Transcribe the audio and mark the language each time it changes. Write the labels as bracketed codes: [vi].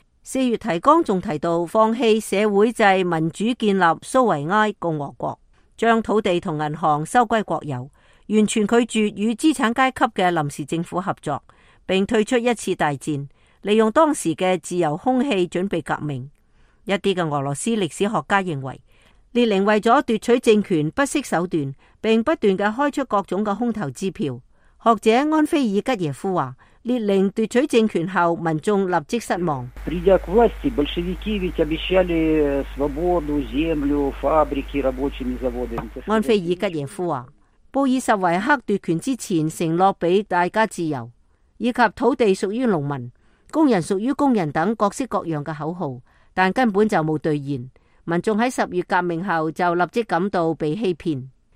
[zh] 四月提纲还提到放弃社会制民主，建立苏维埃共和国，将土地和银行收归国有，完全拒绝与资产阶级的临时政府合作，并退出一次大战，利用当时的自由空气准备革命。一些的俄罗斯历史学家认为，列宁为了夺取政权不惜手段，并不断地开出各种的空头支票。学者安菲尔吉耶夫说，列宁夺取政权后，民众立即失望。 [ru] Придя к власти, большевики ведь обещали свободу, землю, фабрики, рабочими заводами. [zh] 安菲尔吉耶夫说，布尔什维克夺权之前承诺给大家自由，以及土地属于农民、工人属于工人等各式各样的口号，但根本就没兑现。民众在十月革命后就立即感到被欺骗。